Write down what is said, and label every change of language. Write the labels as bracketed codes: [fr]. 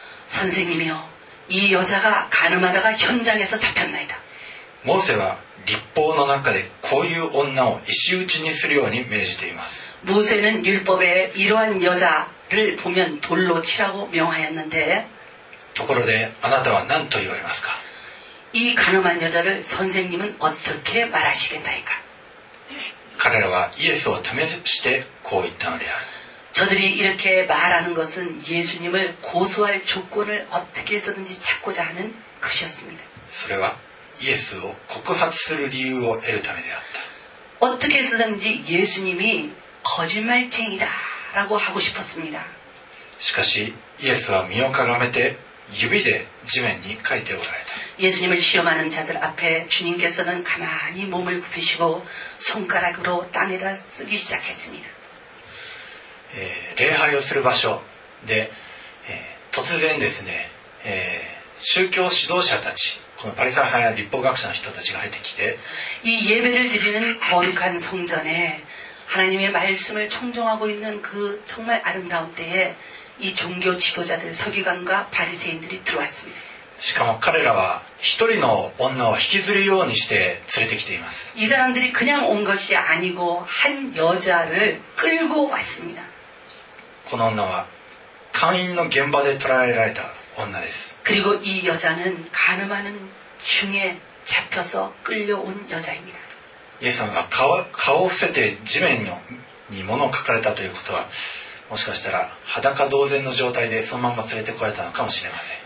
[ko] 선생님이요、이여자가간음하다가현장에서잡혔나이다。 [ja] モーセは律法の中でこういう女を石打ちにするように命じています。モーセは律法で [ko] 이러한여자를보면돌로치라고명하였는데。 [ja] ところであなたは何と言われますか。 [ko] 이간음한여자를선생님은어떻게말하시겠나이까。 [ja] 彼らはイエスを試してこう言ったのである。 [ko] 저들이이렇게말하는것은예수님을고소할조건을어떻게해서든지찾고자하는것이었습니다。 [ja] それはイエスを告発する理由を得るためであった。 [ko] 어떻게해서든지예수님이거짓말쟁이다라고하고싶었습니다。 [ja] しかしイエスは身をかがめて指で地面に書いておられた。 [ko] 예수님을시험하는자들앞에주님께서는가만히몸을굽히시고손가락으로땅에다쓰기시작했습니다。 [ja] 礼拝をする場所で、突然ですね、宗教指導者たち、このパリサイ派や律法学者の人たちが入ってきて、 [ko] 이예배를드리는거룩한성전에하나님의말씀을청종하고있는그정말아름다운때에이종교지도자들서기관과바리새인들이들어왔습니다。 [ja] しかも彼らは一人の女を引きずるようにして連れてきています。 [ko] 이사람들이그냥온것이아니고한여자를끌고왔습니다。 [ja] この女は会員の現場で捕らえられた女です。 [ko] 그리고이여자는간음하는중에잡혀서끌려온여자입니다。 [ja] イエス様が 顔を伏せて地面に物を書かれたということは、もしかしたら裸同然の状態でそのまま連れてこられたのかもしれません。